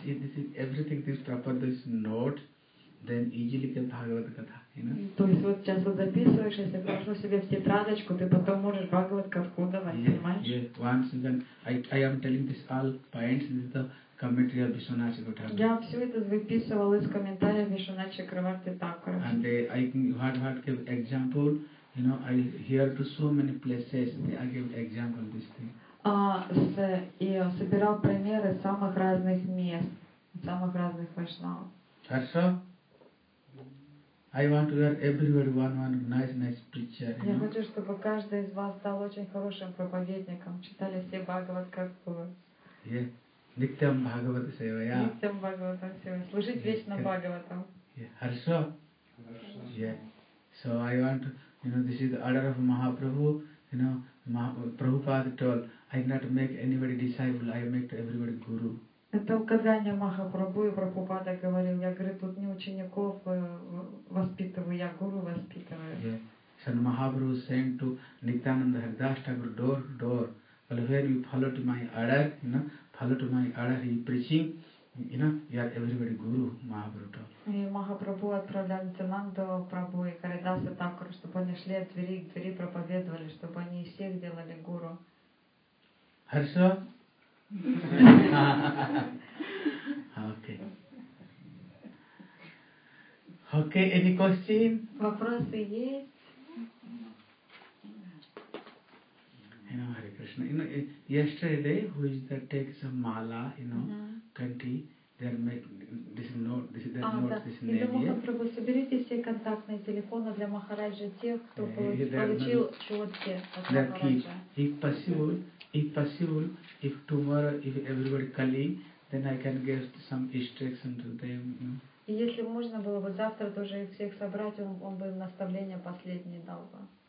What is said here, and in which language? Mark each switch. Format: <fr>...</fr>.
<en>This is everything, this proper, this note, then easily can Bhagavad Katha.</en> <ru>То есть вот сейчас вот записываешь, если прошу себе в тетрадочку, ты потом можешь Бхагаватка вкудовать, понимаешь?</ru> <en>Yes, once then, I am telling this all points, this is the commentary of Vishwanath Chakrabarti.</en> <ru>Я все это выписывал из комментариев Vishwanath Chakrabarti Thakur.</ru> <en>And I give example, you know, I hear to so many places, I give example this thing.</en> <ru>Я собирал примеры самых разных мест, самых разных вайшнавов. Хорошо?</ru> <en>I want to hear everybody one nice preacher.</en> <ru>Я хочу, чтобы каждый из вас стал очень хорошим проповедником, читали все Бхагават как было.</ru> <sa>Yeah. Nityam Bhagavat Sevaya. Nityam Bhagavat Sevaya.</sa> <ru>Служить вечно Бхагаватам. Yeah. Хорошо?</ru> <en>Yeah. So I want to, you know, this is the order of Mahaprabhu. You know, Prabhupada told, I not make anybody disciple, I make everybody guru.</en> <ru>Это указание Махапрабху, и Прабхупада говорил, я говорю, тут не учеников воспитываю, я гуру воспитываю.</ru> <en>Yeah. So Mahaprabhu saying to Nityananda Haridastagur, door to door, well, where you follow to my order, you know, follow to my order, he preaching, you know, you are everybody guru, Mahaprabhu.</en> <ru>И Махапрабху отправлял Нитянанду Прабху и Харидаса Такур, чтобы они шли от двери к двери, проповедовали, чтобы они из всех делали гуру. Хорошо?</ru> <en>Okay. Okay, any question?</en> <ru>Вопросы есть?</ru> <en>You know, Hare Krishna. You know, yesterday, who is that take some mala, you know, Kanti, they're making this note, this is that note, this is name.</en> <ru>Yeah, Махапрабху, соберите все контактные телефоны для Махараджа тех, кто получил чётки от Махараджа.</ru> <en>If possible, if possible, if tomorrow, if everybody calling, then I can give some instruction to them.</en> <ru>И если можно было бы завтра тоже их всех собрать, он бы наставление последнее дал бы.</ru>